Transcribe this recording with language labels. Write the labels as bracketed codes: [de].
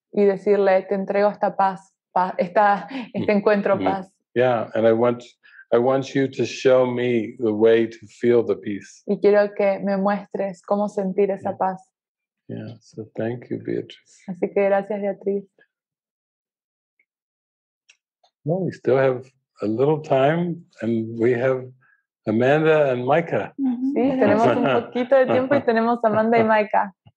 [es] Y decirle, te entrego esta paz, este encuentro, paz. [en] Yeah, and I want you to show me the way to feel the peace. [es] Y quiero que me muestres cómo sentir esa paz. [en] Yeah, so thank you, Beatrice. [es] Así que gracias, Beatriz. [en] Well, we still have a little time, and we have Amanda and Micah. [es] Sí, tenemos un poquito de tiempo y tenemos a Amanda y Micah.